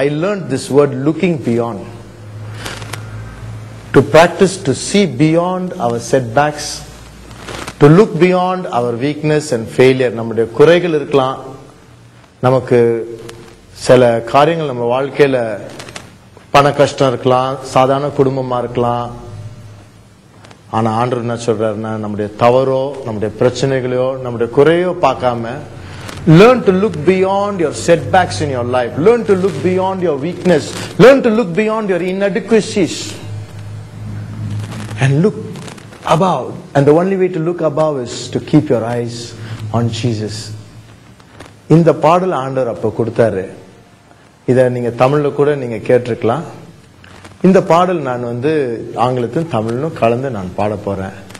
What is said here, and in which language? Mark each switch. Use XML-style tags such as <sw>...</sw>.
<en>I learn this word looking beyond, to practice to see beyond our setbacks To look beyond our weakness and failure,</en> <ta>நம்முடைய குறைகள் இருக்கலாம், நமக்கு சில காரியங்கள் நம்ம வாழ்க்கையில பண கஷ்டம் இருக்கலாம், சாதாரண குடும்பமா இருக்கலாம். ஆனா ஆண்டவர் என்ன சொல்றாருன்னா, நம்முடைய தவறோ நம்முடைய பிரச்சனைகளையோ நம்முடைய குறையோ பார்க்காம,</ta> <en>learn to look beyond your setbacks in your life, learn to look beyond your weakness, learn to look beyond your inadequacies and look above. And the only way to look above is to keep your eyes on Jesus.</en> <ta>இந்த பாடல் ஆண்டவர் அப்ப கொடுத்தாரு. இத நீங்க தமிழ்ல கூட நீங்க கேட்டிருக்கலாம். இந்த பாடல் நான் வந்து ஆங்கிலத்தும் தமிழும் கலந்து நான் பாட போறேன்.</ta>